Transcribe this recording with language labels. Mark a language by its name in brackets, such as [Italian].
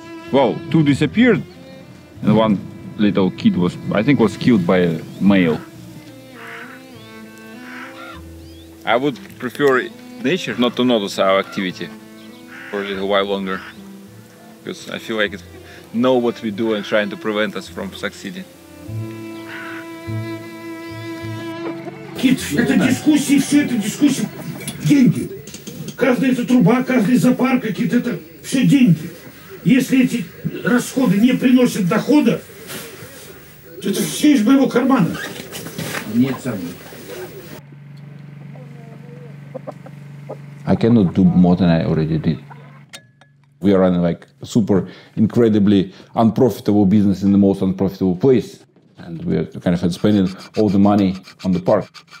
[English] Well, two disappeared, and one little kid was, I think, was killed by a male. I would prefer nature not to notice our activity for a little while longer, because I feel like it knows what we do and trying to prevent us from succeeding. [Russian] Это дискуссии, все это дискуссии. Деньги. Каждая эта труба, каждый зоопарк, какие-то это все деньги. Если эти расходы не приносят дохода, то это все из моего кармана. Нет, сам. [English] I cannot do more than I already did. We are running like a super incredibly unprofitable business in the most unprofitable place. And we are kind of spending all the money on the park.